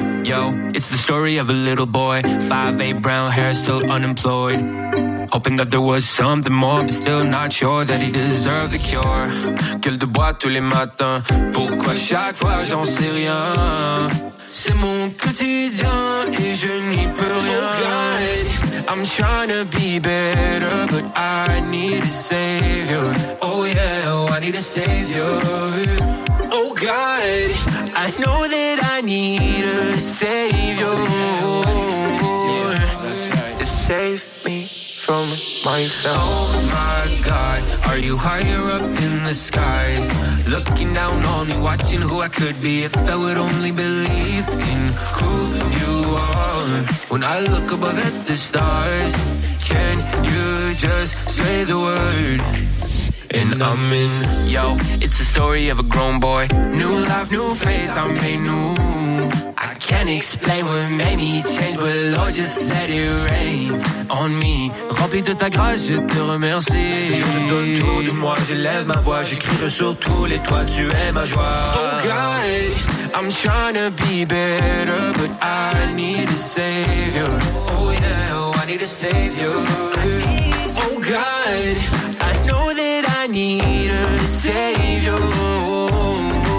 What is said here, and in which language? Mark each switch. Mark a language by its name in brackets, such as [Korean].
[English] Yo, it's the story of a little boy, 5'8", brown hair, still unemployed. Hoping that there was something more, but still not sure that he deserved the cure. [French] Qu'il déboîte tous les matins. Pourquoi chaque fois j'en sais rien? C'est mon quotidien et je n'y peux rien. [English] Oh God, I'm trying to be better, but I need a savior. Oh yeah, oh I need a savior. Oh God, I know that I need a savior. Oh yeah, that's right. To save me from myself. Oh my God, are you higher up in the sky? Looking down on me, watching who I could be if I would only believe in who you are. When I look above at the stars, can you just say the word? And I'm in. Yo, it's the story of a grown boy. New life, new faith, I made new. I can't explain what made me change, but Lord, just let it rain on me. [French] Rempli de ta grâce, je te remercie. Je donne tout de moi, je lève ma voix, j'écris sur tous les toits, tu es ma joie. [English] Oh God, I'm trying to be better, but I need a savior. Oh yeah, oh I need a savior. Oh God, I know that I need a savior.